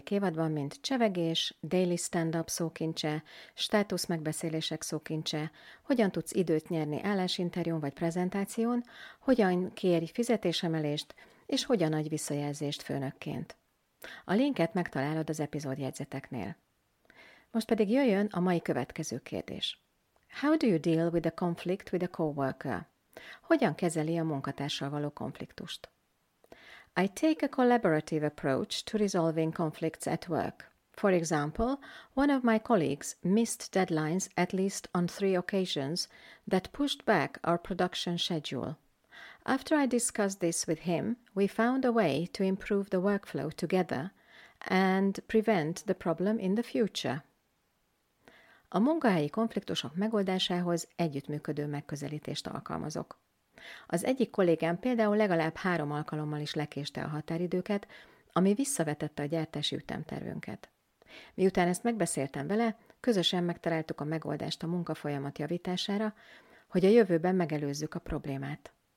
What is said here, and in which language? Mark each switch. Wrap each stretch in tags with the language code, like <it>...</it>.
<hu>évadban, mint csevegés, daily stand-up szókincse, státusz megbeszélések szókincse, hogyan tudsz időt nyerni állásinterjún vagy prezentáción, hogyan kérj fizetésemelést, és hogyan adj visszajelzést főnökként. A linket megtalálod az epizód jegyzeteknél. Most pedig jöjjön a mai következő kérdés.</hu> <en>How do you deal with a conflict with a coworker?</en> <hu>Hogyan kezeli a munkatársal való konfliktust?</hu> <en>I take a collaborative approach to resolving conflicts at work. For example, one of my colleagues missed deadlines at least on 3 occasions that pushed back our production schedule. After I discussed this with him, we found a way to improve the workflow together and prevent the problem in the future.</en> <hu>A munkahelyi konfliktusok megoldásához együttműködő megközelítést alkalmazok. Az egyik kollégám például legalább 3 alkalommal is lekéste a határidőket, ami visszavetette a gyártási ütemtervünket. Miután ezt megbeszéltem vele, közösen megtaláltuk a megoldást a munkafolyamat javítására, hogy a jövőben megelőzzük a problémát.</hu>